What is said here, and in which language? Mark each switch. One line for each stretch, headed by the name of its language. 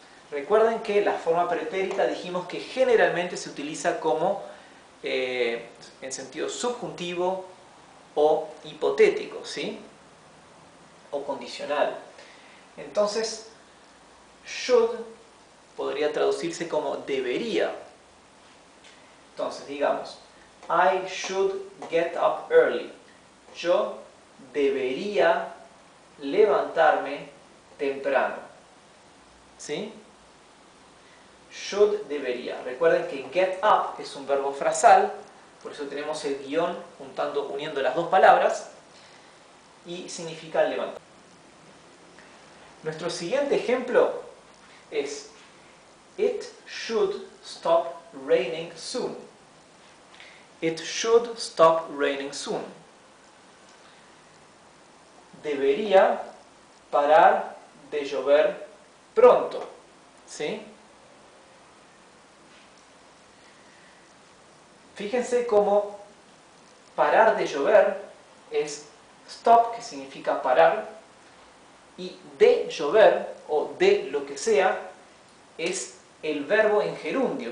Spanish: Recuerden que la forma pretérita dijimos que generalmente se utiliza como en sentido subjuntivo o hipotético, ¿sí? O condicional. Entonces, should podría traducirse como debería. Entonces, digamos,
English: I should get up early.
Spanish: Yo debería levantarme temprano. ¿Sí? Should, debería. Recuerden que get up es un verbo frasal, por eso tenemos el guión juntando, uniendo las dos palabras, y significa levantar. Nuestro siguiente ejemplo es
English: it should stop raining soon. It should stop raining soon.
Spanish: Debería parar de llover pronto, ¿sí? Fíjense cómo parar de llover es stop, que significa parar, y de llover o de lo que sea es el verbo en gerundio.